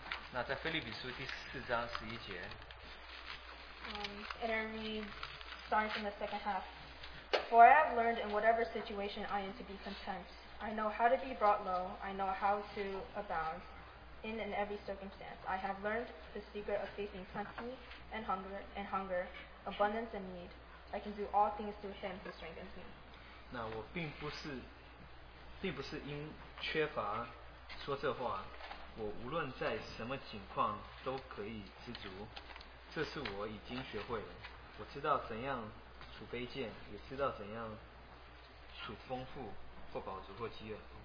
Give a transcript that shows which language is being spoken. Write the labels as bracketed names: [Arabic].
[Chinese] 那在腓立比书第四章十一节。 [English] And I read, starting from the second half. For I have learned in whatever situation I am to be content. I know how to be brought low. I know how to abound. In every circumstance, I have learned the secret of facing plenty and hunger, abundance and need. I can do all things through Him who strengthens me. [Chinese] 那我并不是因缺乏说这话。我无论在什么情况都可以知足，这是我已经学会了。我知道怎样处卑贱，也知道怎样处丰富，或饱足，或饥饿。